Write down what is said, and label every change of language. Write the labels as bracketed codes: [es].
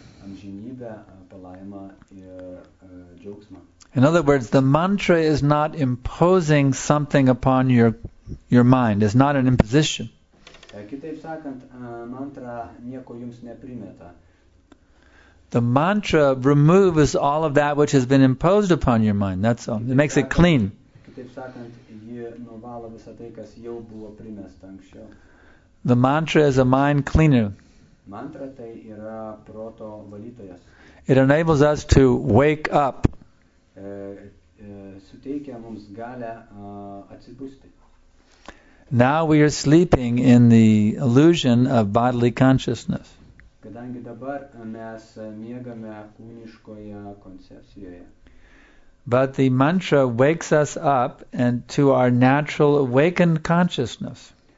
[lt] Amžinybė, palaima ir džiaugsma. [en] In other words, the mantra is not imposing something upon your mind. It's not an imposition. [lt] Kitaip sakant, mantra nieko jums neprimeta. [en] The mantra removes all of that which has been imposed upon your mind. That's all. It makes it clean. [lt] Kitaip sakant, ji nuvalo visą tai, kas jau buvo primesta anksčiau. [en] The mantra is a mind cleaner. [lt] Mantra tai yra proto valytojas. [en] It enables us to wake up. [lt] Suteikia mums galę atsibusti. [en] Now we are sleeping in the illusion of bodily consciousness. [lt] Kadangi dabar mes miegame kūniškoje koncepcijoje. [en] But the mantra wakes us up and to our natural awakened consciousness.